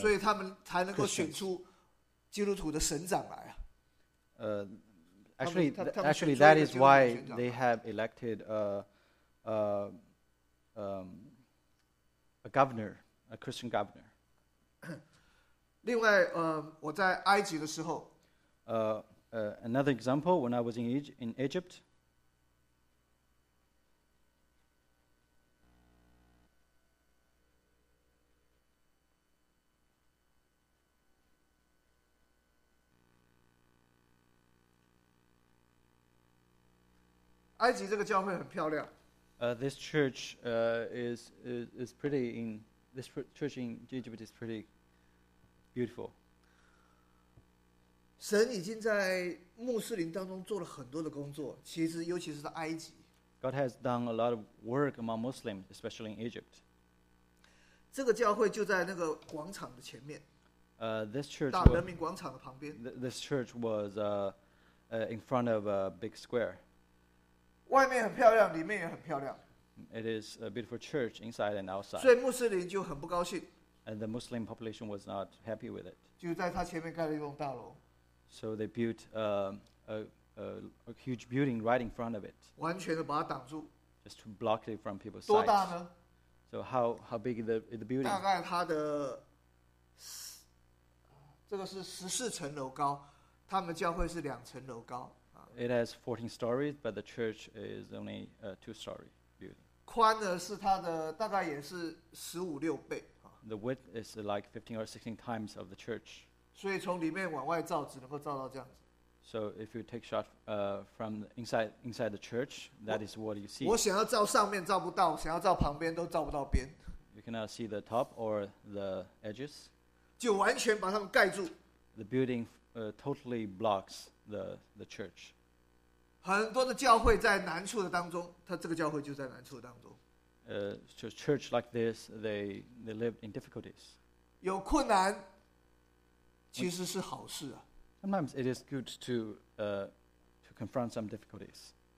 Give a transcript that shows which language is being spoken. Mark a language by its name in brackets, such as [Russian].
[Chinese] 所以他们才能够选出基督徒的省长来啊。 [English] Actually, that is why they have elected a governor, a Christian governor. [Chinese] 另外，我在埃及的时候。 [English] Another example, when I was in Egypt. [Chinese] 埃及这个教会很漂亮。 [English] This church is pretty in this church in Egypt is pretty beautiful. [Chinese] 神已经在穆斯林当中做了很多的工作，其实尤其是在埃及。 [English] God has done a lot of work among Muslims, especially in Egypt. [Chinese] 这个教会就在那个广场的前面。 [English] This church [Chinese] 大人民广场的旁边。 [English] This church was in front of a big square. [Chinese] 外面很漂亮，里面也很漂亮。 [English] It is a beautiful church inside and outside. [Chinese] 所以穆斯林就很不高兴。 [English] And the Muslim population was not happy with it. [Chinese] 就在他前面盖了一栋大楼。 [English] So they built a huge building right in front of it. [Chinese] 完全的把它挡住。 [English] Just to block it from people's sight. [Chinese] 多大呢？ [English] So how big is the building? [Chinese] 大概它的这个是14层楼高，他们教会是两层楼高。 [English] It has 14 stories, but the church is only a two-story building. [Chinese] 宽的是它的大概也是十五六倍。 [English] The width is like 15 or 16 times of the church. [Chinese] 所以从里面往外照，只能够照到这样子。 [English] So if you take shot from inside the church, that is what you see. [Chinese] 我想要照上面照不到，想要照旁边都照不到边。 [English] You cannot see the top or the edges. [Chinese] 就完全把它们盖住。 [English] The building totally blocks. The church. [Chinese] 很多的教会在难处的当中，他这个教会就在难处当中。 [English] So church like this, they live in difficulties. [Chinese] 有困难，其实是好事啊。 [English] Sometimes it is good to confront some difficulties.